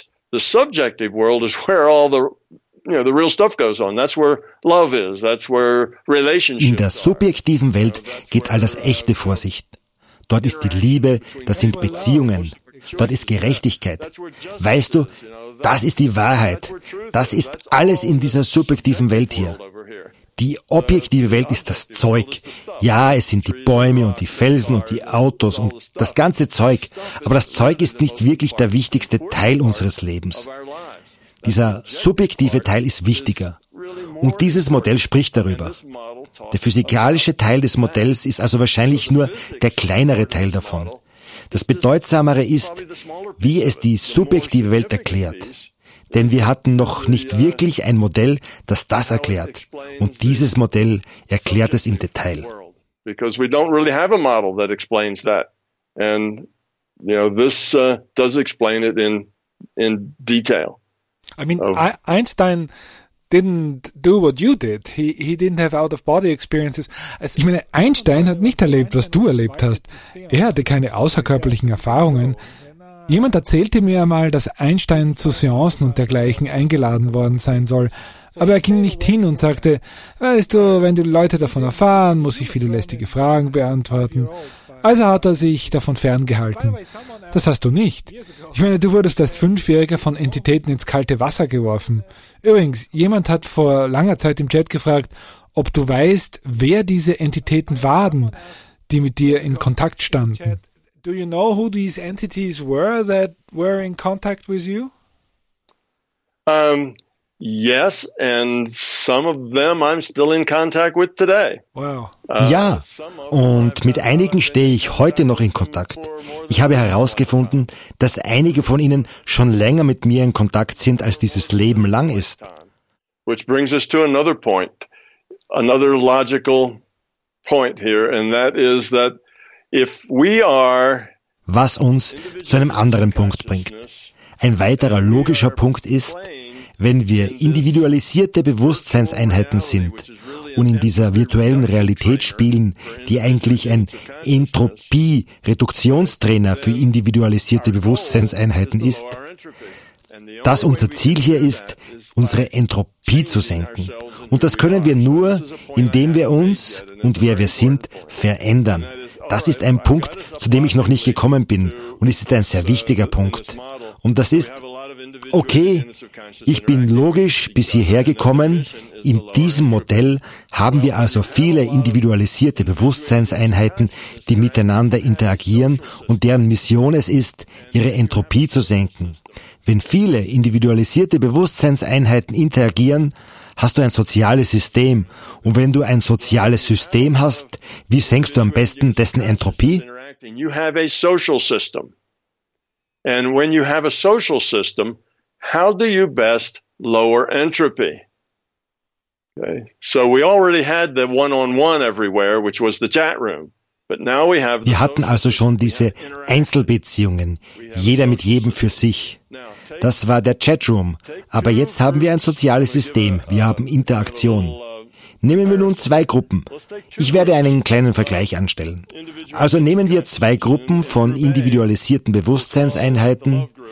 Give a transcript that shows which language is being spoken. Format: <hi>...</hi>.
<en>The subjective world is where all the, you know, the real stuff goes on. That's where love is. That's where relationships</en> <de>are. In der subjektiven Welt geht all das Echte vor sich. Dort ist die Liebe, das sind Beziehungen. Dort ist Gerechtigkeit. Weißt du, das ist die Wahrheit. Das ist alles in dieser subjektiven Welt hier. Die objektive Welt ist das Zeug. Ja, es sind die Bäume und die Felsen und die Autos und das ganze Zeug. Aber das Zeug ist nicht wirklich der wichtigste Teil unseres Lebens. Dieser subjektive Teil ist wichtiger. Und dieses Modell spricht darüber. Der physikalische Teil des Modells ist also wahrscheinlich nur der kleinere Teil davon. Das Bedeutsamere ist, wie es die subjektive Welt erklärt. Denn wir hatten noch nicht wirklich ein Modell, das das erklärt. Und dieses Modell erklärt es im Detail.</de> <en>Because we don't really have a model that explains that. And, you know, this does explain it in detail. I mean, Einstein didn't do what you did. He didn't have out-of-body experiences.</en> <de>Ich meine, Einstein hat nicht erlebt, was du erlebt hast. Er hatte keine außerkörperlichen Erfahrungen. Jemand erzählte mir einmal, dass Einstein zu Seancen und dergleichen eingeladen worden sein soll. Aber er ging nicht hin und sagte, weißt du, wenn die Leute davon erfahren, muss ich viele lästige Fragen beantworten. Also hat er sich davon ferngehalten. Das hast du nicht. Ich meine, du wurdest als Fünfjähriger von Entitäten ins kalte Wasser geworfen. Übrigens, jemand hat vor langer Zeit im Chat gefragt, ob du weißt, wer diese Entitäten waren, die mit dir in Kontakt standen.</de> <en>Do you know who these entities were that were in contact with you? Yes, and some of them I'm still in contact with today. Wow.</en> <de>Ja, und mit einigen stehe ich heute noch in Kontakt. Ich habe herausgefunden, dass einige von ihnen schon länger mit mir in Kontakt sind, als dieses Leben lang ist.</de> <en>Which brings us to another point, another logical point here, and that is that if we are,</en> <de>was uns zu einem anderen Punkt bringt. Ein weiterer logischer Punkt ist, wenn wir individualisierte Bewusstseinseinheiten sind und in dieser virtuellen Realität spielen, die eigentlich ein Entropie-Reduktionstrainer für individualisierte Bewusstseinseinheiten ist, dass unser Ziel hier ist, unsere Entropie zu senken. Und das können wir nur, indem wir uns und wer wir sind verändern. Das ist ein Punkt, zu dem ich noch nicht gekommen bin und es ist ein sehr wichtiger Punkt. Und das ist, okay, ich bin logisch bis hierher gekommen, in diesem Modell haben wir also viele individualisierte Bewusstseinseinheiten, die miteinander interagieren und deren Mission es ist, ihre Entropie zu senken. Wenn viele individualisierte Bewusstseinseinheiten interagieren, hast du ein soziales System. Und wenn du ein soziales System hast, wie senkst du am besten dessen Entropie?</de> <en>You have a social system. And when you have a social system, how do you best lower entropy? Okay. So we already had the one-on-one everywhere, which was the chat room. But now we have.</en> <de>Wir hatten also schon diese Einzelbeziehungen, jeder mit jedem für sich. Das war der Chatroom. Aber jetzt haben wir ein soziales System. Wir haben Interaktion. Nehmen wir nun zwei Gruppen. Ich werde einen kleinen Vergleich anstellen. Also nehmen wir zwei Gruppen von individualisierten Bewusstseinseinheiten.</de>